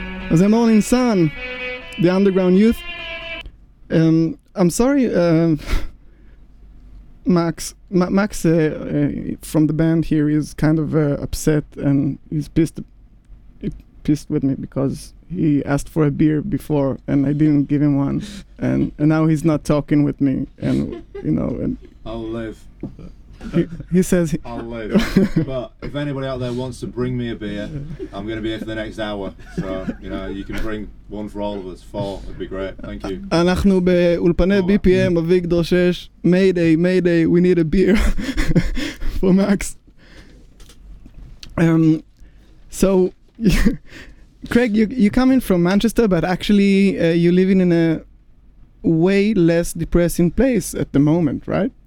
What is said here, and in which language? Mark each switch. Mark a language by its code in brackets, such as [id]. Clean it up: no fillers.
[he] אז הם אורלין סאן, the underground youth. [en] I'm sorry, Max. Max from the band here is kind of upset and he's pissed with me because he asked for a beer before and I didn't give him one, and now he's not talking with me, and you know, and I'll live. He says, I'll live. But if anybody out there wants to bring me a beer, I'm going to be here for the next hour. So, you know, you can bring one for all of us. Four would be great. Thank you. [he] אנחנו באולפני BPM, אביגדור 6. [en] Mayday, mayday, we need a beer for Max. So, Craig, you're coming from Manchester, but actually you're living in a way less depressing place at the moment, right?